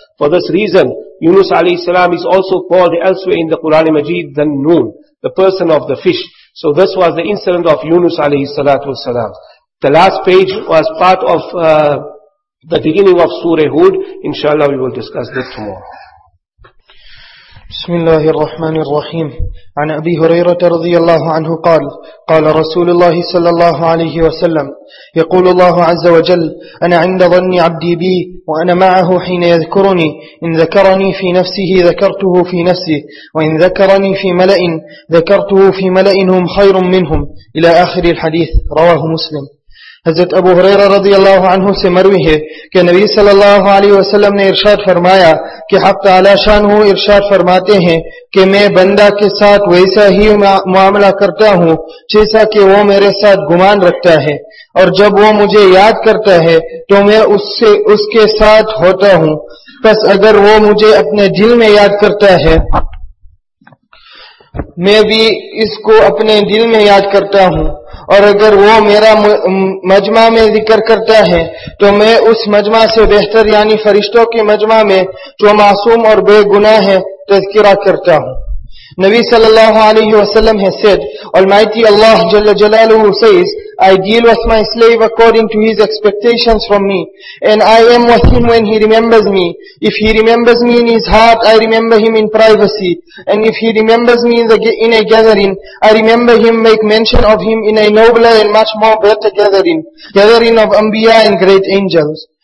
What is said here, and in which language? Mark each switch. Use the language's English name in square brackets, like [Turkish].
[English] For this reason, Yunus alayhi salam is also called elsewhere in the Quran Majeed, the Noon, the person of the fish. So this was the incident of Yunus alayhi salatu wasalam. The last page was part of the beginning of Surah Hud. Inshallah, we will discuss that tomorrow. [Arabic] بسم الله الرحمن الرحيم عن أبي هريرة رضي الله عنه قال قال رسول الله صلى الله عليه وسلم يقول الله عز وجل أنا عند ظن عبدي بي وأنا معه حين يذكرني إن ذكرني في نفسه ذكرته في نفسه وإن ذكرني في ملأ ذكرته في ملأ هم خير منهم إلى آخر الحديث رواه مسلم. [Urdu] حضرت ابو ہریرہ رضی اللہ عنہ سے مروی ہے کہ نبی صلی اللہ علیہ وسلم نے ارشاد فرمایا کہ حق تعالی شانہ ارشاد فرماتے ہیں کہ میں بندہ کے ساتھ ویسا ہی معاملہ کرتا ہوں جیسا کہ وہ میرے ساتھ گمان رکھتا ہے, اور جب وہ مجھے یاد کرتا ہے تو میں اس کے ساتھ ہوتا ہوں, پس اگر وہ مجھے اپنے دل میں یاد کرتا ہے میں بھی اس کو اپنے دل میں یاد کرتا ہوں, اور اگر وہ میرا مجمع میں ذکر کرتا ہے تو میں اس مجمع سے بہتر یعنی فرشتوں کے مجمع میں جو معصوم اور بے گناہ ہے تذکرہ کرتا ہوں. [English] نبی صلی اللہ علیہ وسلم has said, Almighty Allah جل جلالہ says, I deal with my slave according to his expectations from me, and I am with him when he remembers me. If he remembers me in his heart, I remember him in privacy, and if he remembers me in a gathering, I remember him, make mention of him in a nobler and much more better gathering of Anbiya and great angels.